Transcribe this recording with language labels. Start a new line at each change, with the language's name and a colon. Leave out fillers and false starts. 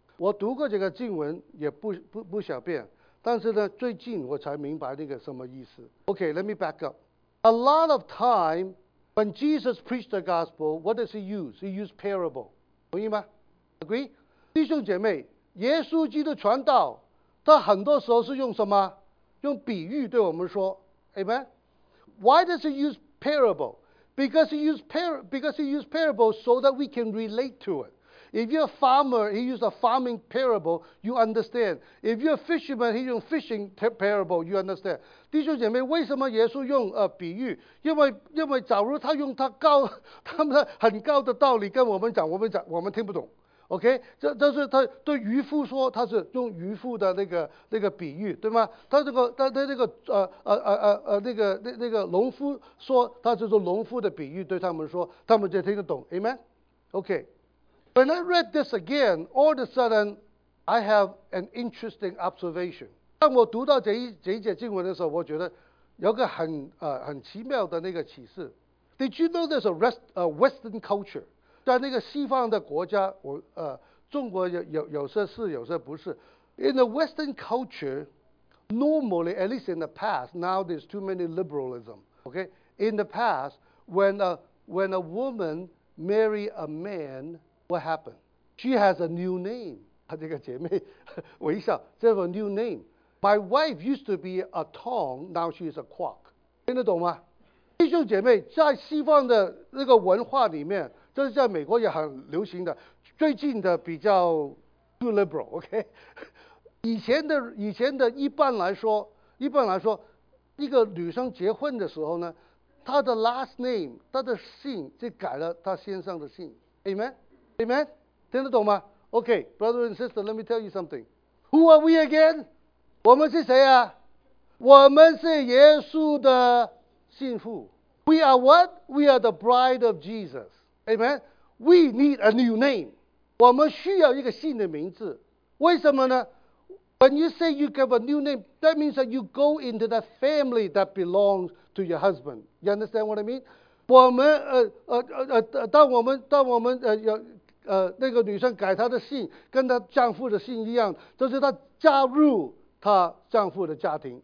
Chinese: 我读过这个经文也不小遍，但是呢，最近我才明白那个什么意思。
English: Okay, let me back up. A lot of time when Jesus preached the gospel, what does he use? He used parable.
Chinese: 同意吗？
English: Agree?
Chinese: 弟兄姐妹，耶稣基督传道，他很多时候是用什么？用比喻对我们说 ，Amen。
English: Why does he use parable? Because he used parable so that we can relate to it. If you're a farmer, he used a farming parable, you understand. If you're a fisherman, he used fishing parable, you understand.
Chinese: 弟兄姐妹，为什么耶稣用比喻？因为假如他用他们很高的道理跟我们讲，我们听不懂。 OK， 这是他对渔夫说，他是用渔夫的那个比喻，对吗？他那个农夫说，他就是农夫的比喻，对他们说，他们就听得懂 ，Amen。
English: OK， when I read this again, all of a sudden, I have an interesting observation。
Chinese: 当我读到这一节经文的时候，我觉得有个很奇妙的那个启示。
English: Did you know there's a Western culture?
Chinese: 在那个西方的国家，中国有些是，有些不是。
English: In the Western culture, normally, at least in the past, now there's too many liberalism. Okay, in the past, when a woman marry a man, what happened? She has a new name.
Chinese: 这个姐妹微笑，这是
English: a new name. My wife used to be a Tong, now she is a Quok.
Chinese: 听得懂吗？弟兄姐妹，在西方的那个文化里面。这是在美国也很流行的，最近的比较
English: too liberal，
Chinese: OK， 以前的一般来说，一个女生结婚的时候呢，她的 last name， 她的姓就改了她先生的姓， Amen， Amen， 听得懂吗？
English: OK， brother and sister， let me tell you something， who are we again？
Chinese: 我们是谁啊？我们是耶稣的信徒。
English: We are what？ We are the bride of Jesus。 Amen. We need a new name.
Chinese: 我们需要一个新的名字。为什么呢？
English: When you say you have a new name, that means that you go into the family that belongs to your husband. You understand what I mean?
Chinese: 我们当我们那个女生改她的姓，跟她丈夫的姓一样，就是她加入她丈夫的家庭。